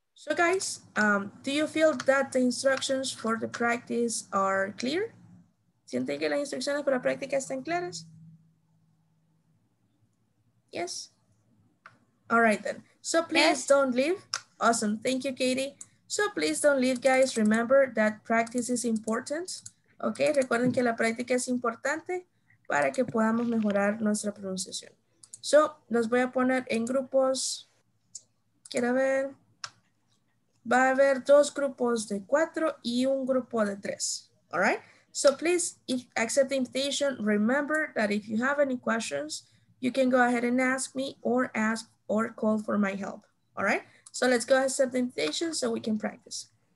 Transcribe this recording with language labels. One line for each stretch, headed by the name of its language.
English: So guys, do you feel that the instructions for the practice are clear?
Spanish: ¿Sienten que las instrucciones para la práctica están claras?
English: Yes. All right then. So please don't leave. Awesome. Thank you, Katie. So please don't leave, guys. Remember that practice is important.
Spanish: Okay, recuerden que la práctica es importante para que podamos mejorar nuestra pronunciación. So, los voy a poner en grupos. Quiero ver. Va a haber dos grupos de cuatro y un grupo de tres.
English: All right? So please, if accept the invitation. Remember that if you have any questions, you can go ahead and ask me or ask or call for my help. All right? So let's go ahead and set the invitation so we can practice.